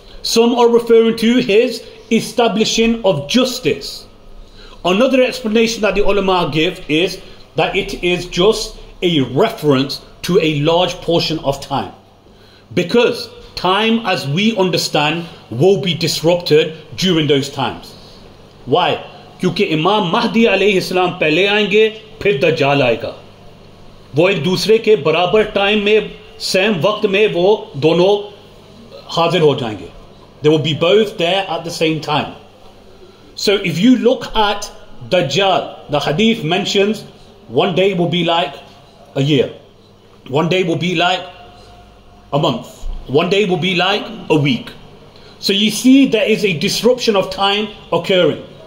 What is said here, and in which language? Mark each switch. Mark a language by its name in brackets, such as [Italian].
[English] Some are referring to his establishing of justice. Another explanation that the ulama give is that it is just a reference to a large portion of time. Because time, as we understand, will be disrupted during those times. Why? Because [Urdu] امام مہدی علیہ السلام پہلے آئیں گے، پھر دجال آئے گا۔ وہ ایک دوسرے کے برابر ٹائم میں، سیم وقت میں، وہ دونوں حاضر ہو جائیں گے۔ [English] They will be both there at the same time. So if you look at Dajjal, the hadith mentions one day will be like a year. One day will be like a month. One day will be like a week. So you see there is a disruption of time occurring.